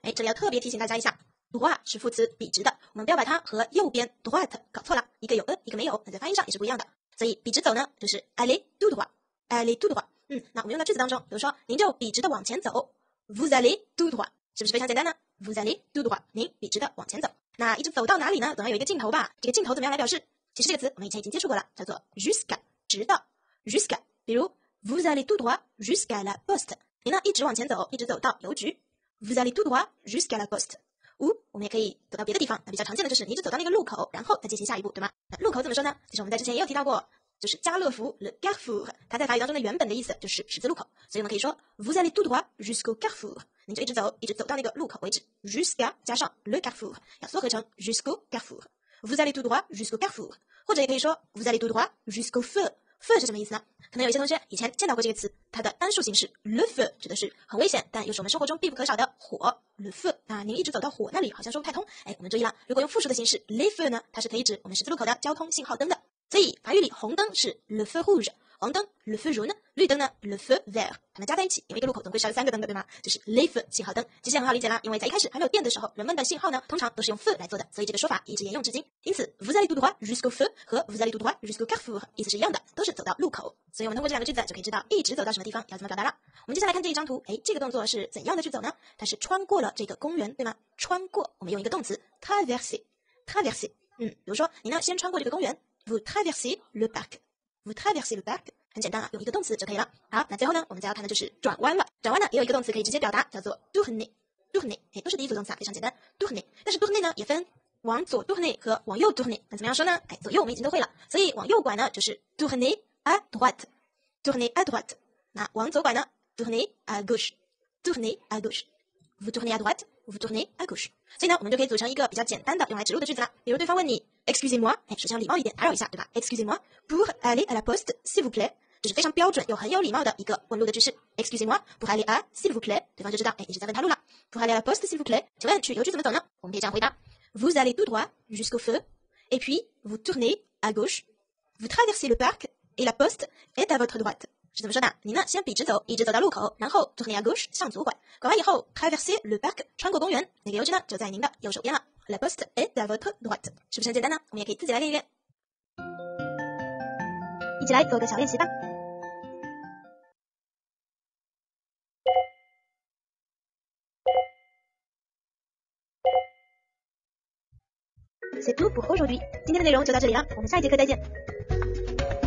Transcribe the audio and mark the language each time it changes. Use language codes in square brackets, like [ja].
[zh] 这里要特别提醒大家一下。droit 是副词，笔直的，我们不要把它和右边 droite 搞错了，一个有 e， 一个没有，那在发音上也是不一样的。 [fr] 所以笔直走呢，就是 aller tout droit，aller tout droit。 [zh] 那我们用到句子当中，比如说您就笔直的往前走 ， vous allez tout droit，是不是非常简单呢 ？vous allez tout droit， 您笔直的往前走。那一直走到哪里呢？总要有一个尽头吧？这个尽头怎么样来表示？其实这个词我们以前已经接触过了，叫做 jusqu'à， 直到 jusqu'à。 [fr] 比如 vous allez tout droit jusqu'à la poste，您呢一直往前走，一直走到邮局，vous allez tout droit jusqu'à la poste。 [zh] 我们也可以走到别的地方，那比较常见的就是你一直走到那个路口，然后再进行下一步，对吗？那路口怎么说呢？其实我们在之前也有提到过，就是家乐福 le carrefour， 它在法语当中的原本的意思就是十字路口，所以我们可以说 vous allez tout droit jusqu'au carrefour，你就一直走，一直走到那个路口为止 ，jusqu'à 加上 le carrefour， 要缩合成 jusqu'au carrefour， vous allez tout droit jusqu'au carrefour， 或者也可以说 vous allez tout droit jusqu'au feu， feu 是什么意思呢？可能有些同学以前见到过这个词，它的单数形式 le feu 指的是很危险，但又是我们生活中必不可少的火。 le feu， 那您一直走到火那里好像说不太通，我们注意了，如果用复数的形式 le feu 呢，它是可以指我们十字路口的交通信号灯的。所以法语里红灯是 le feu rouge，红灯 le feu jaune， 绿灯呢 le feu vert， 它们加在一起，因为一个路口总归是要三个灯的，对吗？就是 le feu 信号灯。其实很好理解啦，因为在一开始还没有电的时候，人们的信号呢通常都是用 feu 来做的，所以这个说法一直沿用至今。因此 vous allez tout droit jusqu'au feu 和 vous allez tout droit jusqu'au carrefour 意思是一样的，都是走到路口。所以我们通过这两个句子就可以知道一直走到什么地方要怎么表达了。我们接下来看这一张图，哎，这个动作是怎样的去走呢？它是穿过了这个公园，对吗？穿过，我们用一个动词 traverser， 比如说你呢先穿过这个公园， vous traversez le parc。 Vous traversez le parc，很简单啊，用一个动词就可以了。好，那最后呢，我们再要看的就是转弯了。转弯呢，也有一个动词可以直接表达，叫做 tourner， 都是第一组动词啊，非常简单。 tourner， 但是 tourner 呢，也分往左 tourner 和往右 tourner， 那怎么样说呢？哎，左右我们已经都会了，所以往右拐呢就是 tourner à droite， tourner à droite。那往左拐呢， tourner à gauche， tourner à gauche。 [fr] Vous tournez à droite， vous tournez à gauche。 [zh] 所以呢，我们就可以组成一个比较简单的用来指路的句子了。比如对方问你。Excusez-moi， 哎，首先礼貌一点，打扰一下，对吧 ？ Excusez-moi pour aller à la poste, s'il vous plaît，这是非常标准又很有礼貌的一个问路的句式。 [fr] Excusez-moi pour aller à s'il vous plaît，对方就知道，哎，你是在问他路了。 Pour aller à la poste, s'il vous plaît，请问去邮局怎么走呢？我们可以这样回答 ：Vous allez tout droit jusqu'au feu, et puis vous tournez à gauche. Vous traversez le parc et la poste est à votre droite. [zh] 是怎么说的？你呢，先笔直走，一直走到路口，然后 tournez à gauche，向左拐，拐完以后 traverser le parc，穿过公园，那个邮局呢就在您的右手边了。 [fr] La poste est à votre droite，是不是很简单呢？ [zh] 我们也可以自己来练一练，一起来做个小练习吧。 C'est tout pour aujourd'hui，今天的内容就到这里了，我们下一节课再见。